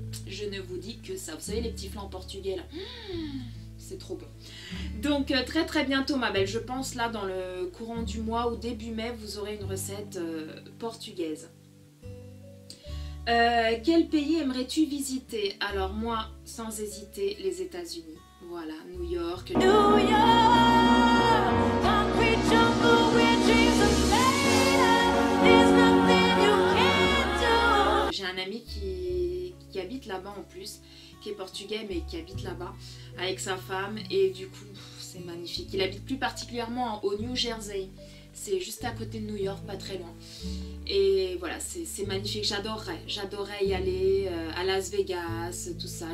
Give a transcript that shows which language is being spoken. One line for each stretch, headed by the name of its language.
French: Je ne vous dis que ça. Vous savez les petits flans portugais là. C'est trop bon. Donc très très bientôt ma belle. Je pense là dans le courant du mois ou début mai, vous aurez une recette portugaise. Quel pays aimerais-tu visiter? Alors moi, sans hésiter, les États-Unis. Voilà, New York.
English: New York, concrete jungle where Jesus made us. There's nothing you can't do.
French: J'ai un ami qui habite là-bas en plus, qui est portugais mais qui habite là-bas avec sa femme et du coup, c'est magnifique. Il habite plus particulièrement au New Jersey. C'est juste à côté de New York, pas très loin. Et voilà, c'est magnifique. J'adorerais y aller à Las Vegas, tout ça.